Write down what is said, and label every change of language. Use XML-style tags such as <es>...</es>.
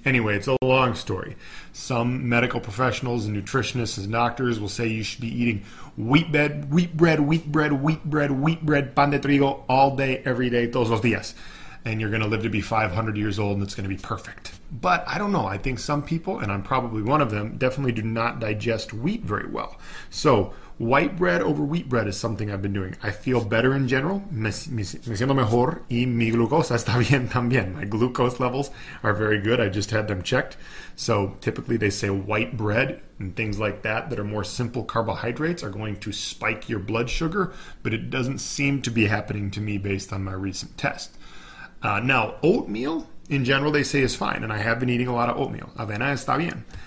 <en>Anyway, it's a long story. Some medical professionals and nutritionists and doctors will say you should be eating wheat bread,</en> <es>pan de trigo</es> <en>all day, every day,</en> <es>todos los días.</es> <en>And you're going to live to be 500 years old and it's going to be perfect. But I don't know. I think some people, and I'm probably one of them, definitely do not digest wheat very well. So white bread over wheat bread is something I've been doing. I feel better in general.</en> <es>Me siento mejor y mi glucosa está bien también.</es> <en>My glucose levels are very good. I just had them checked. So typically they say white bread and things like that that are more simple carbohydrates are going to spike your blood sugar. But it doesn't seem to be happening to me based on my recent test. Now, oatmeal, in general, they say is fine, and I have been eating a lot of oatmeal.</en> <es>Avena está bien.</es>